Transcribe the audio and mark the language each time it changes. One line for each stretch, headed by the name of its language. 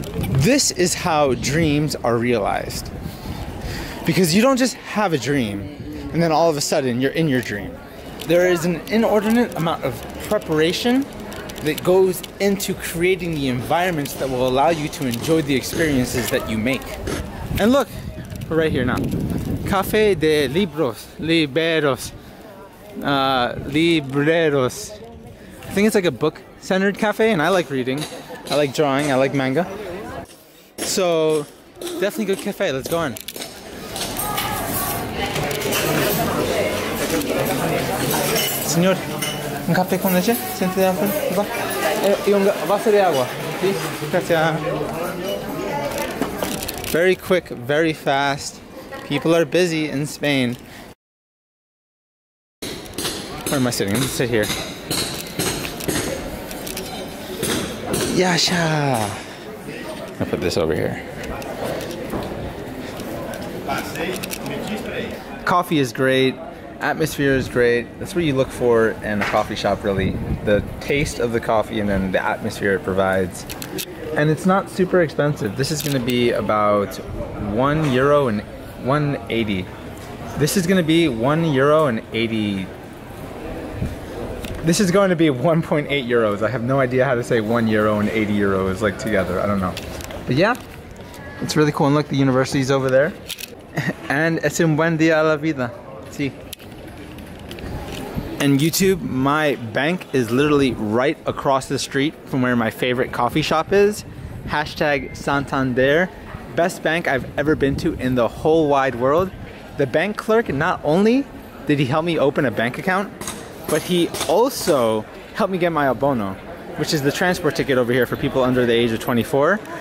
English: This is how dreams are realized. Because you don't just have a dream, and then all of a sudden you're in your dream. There is an inordinate amount of preparation that goes into creating the environments that will allow you to enjoy the experiences that you make. And look, we're right here now.
Spanish: Café de Libros, Liberos, Libreros.
English: I think it's like a book-centered cafe, and I like reading. I like drawing, I like manga. So, definitely good cafe, let's go on.
Spanish: Señor, un café con leche, siente de afuera, por favor. Y un vaso de agua, ¿sí? Gracias.
English: Very quick, very fast. People are busy in Spain. Where am I sitting? I'm gonna sit here. Yasha! I'll put this over here. Coffee is great. Atmosphere is great. That's what you look for in a coffee shop, really. The taste of the coffee and then the atmosphere it provides. And it's not super expensive. This is gonna be about €1.80. This is gonna be €1.80. This is going to be 1.8 euros. I have no idea how to say €1.80 like together. I don't know. But yeah, it's really cool. And look, the university's over there.
Spanish: And es un buen día a la vida. Sí.
English: And YouTube, my bank is literally right across the street from where my favorite coffee shop is. Hashtag Santander. Best bank I've ever been to in the whole wide world. The bank clerk, not only did he help me open a bank account, but he also helped me get my abono, which is the transport ticket over here for people under the age of 24.